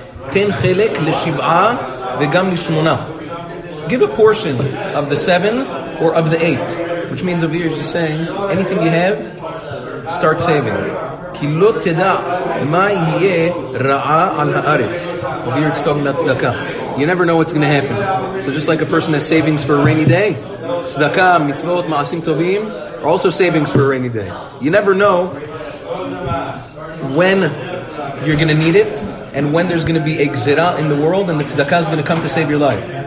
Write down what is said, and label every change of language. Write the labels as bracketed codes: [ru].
[he] Ten chelek l'shiv'a v'gam l'shmona. [en] Give a portion of the seven or of the eight. Which means over here, he's just saying, anything you have, start saving. [he] כי לא תדע מה יהיה רעה על הארץ. [en] Over here it's talking about tzedakah. You never know what's going to happen. So just like a person has savings for a rainy day, tzedakah, mitzvot, ma'asim tovim, are also savings for a rainy day. You never know when you're going to need it, and when there's going to be a gzirah in the world, and the tzedakah is going to come to save your life.